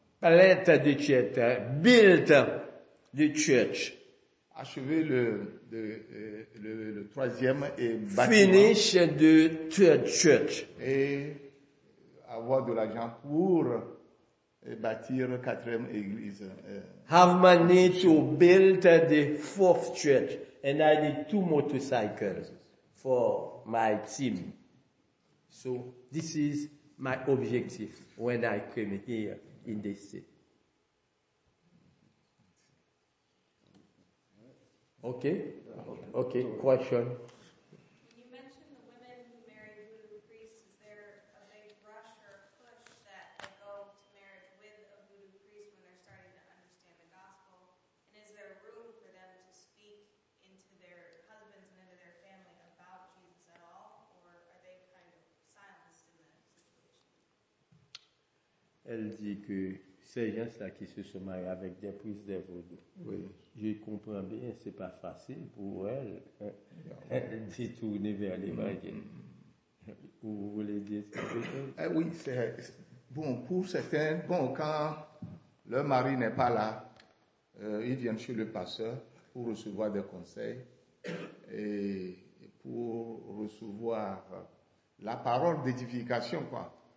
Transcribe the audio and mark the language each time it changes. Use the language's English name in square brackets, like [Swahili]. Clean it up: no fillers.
[English] Plant the church, build the church. [French] Achever le troisième et [English] bâtiment. Finish the third church. [French] Et avoir de l'argent pour bâtir la quatrième église. [English] Have money to build the fourth church. And I need two motorcycles for my team. So this is my objective when I came here in this city. Okay. Okay. Question. You mentioned the women who marry voodoo priests. Is there a big rush or push that they go to marriage with a voodoo priest when they're starting to understand the gospel? And is there room for them to speak into their husbands and into their family about Jesus at all? Or are they kind of silenced in that situation? [French] Elle dit que ces gens-là qui se sont mariés avec des priests de voodoo. Oui. Je comprends bien, ce n'est pas facile pour elle de tourner vers l'évangile. Vous voulez dire ce que je veux dire? Oui, c'est bon, pour certains, bon, quand le mari n'est pas là, ils viennent chez le pasteur pour recevoir des conseils et pour recevoir la parole d'édification, quoi.